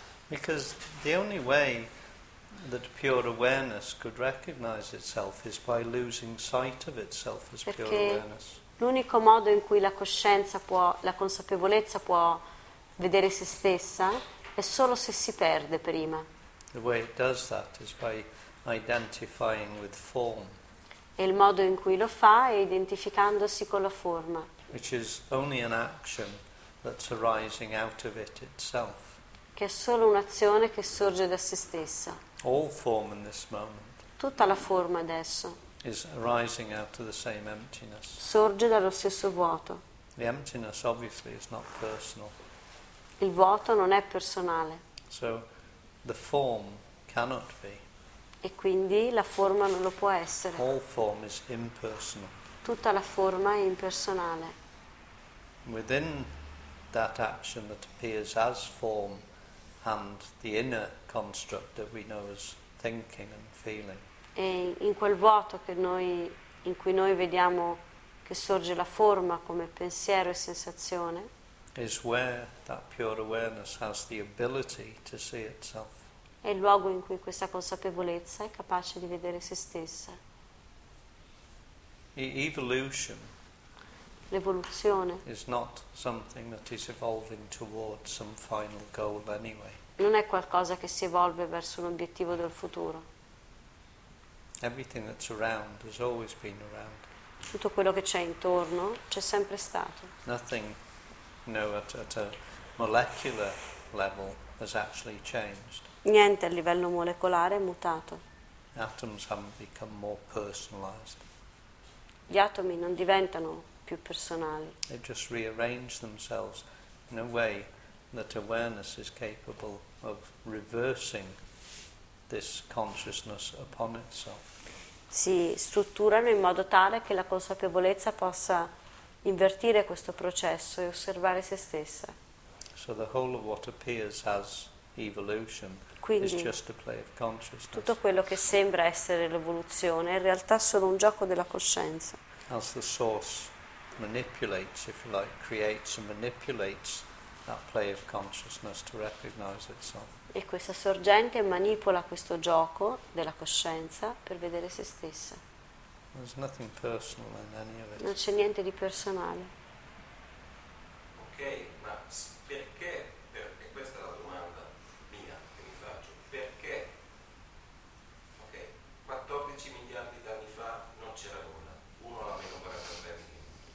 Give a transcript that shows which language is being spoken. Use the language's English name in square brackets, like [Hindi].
[English] Because the only way that pure awareness could recognize itself is by losing sight of itself as [Italian] Perché [English] pure awareness. [Italian] L'unico modo in cui la coscienza può, la consapevolezza può vedere se stessa è solo se si perde prima. [English] The way it does that is by identifying with form. [Italian] E il modo in cui lo fa è identificandosi con la forma. [English] Which is only an action that's arising out of it itself. [Italian] Che è solo un'azione che sorge da se stessa. [English] All form in this moment. [Italian] Tutta la forma adesso. [English] Is arising out of the same emptiness. [Italian] Sorge dallo stesso vuoto. [English] The emptiness obviously is not personal. [Italian] Il vuoto non è personale. [English] So, the form cannot be. [Italian] E quindi la forma non lo può essere. [English] All form is impersonal. [Italian] Tutta la forma è impersonale. [English] Within that action that appears as form and the inner construct that we know as thinking and feeling. [Italian] E in quel vuoto che noi, in cui noi vediamo che sorge la forma come pensiero e sensazione. [English] Is where that pure awareness has the ability to see itself. [Italian] È il luogo in cui questa consapevolezza è capace di vedere se stessa. [English] Evolution. [Italian] L'evoluzione. [English] Is not something that is evolving towards some final goal anyway. [Italian] Non è qualcosa che si evolve verso un obiettivo del futuro. [English] Everything that's around has always been around. [Italian] Tutto quello che c'è intorno c'è sempre stato. [English] Nothing. No, at a molecular level has actually changed. [Italian] Niente a livello molecolare è mutato. [English] Atoms haven't become more personalized. [Italian] Gli atomi non diventano più personali. [English] They just rearrange themselves in a way that awareness is capable of reversing this consciousness upon itself. [Italian] Si strutturano in modo tale che la consapevolezza possa invertire questo processo e osservare se stessa. [English] So the whole of what appears as evolution is just a play of consciousness. [Italian] Tutto quello che sembra essere l'evoluzione è in realtà solo un gioco della coscienza. [English] As the source manipulates, if you like, creates and manipulates that play of consciousness to recognize itself. [Italian] E questa sorgente manipola questo gioco della coscienza per vedere se stessa. [English] There's nothing personal in any of it. [Italian] Non c'è niente di personale. Ok, ma perché, e questa è la domanda mia che mi faccio, perché, ok, 14 miliardi di anni fa non c'era nulla, uno alla meno 43 milioni.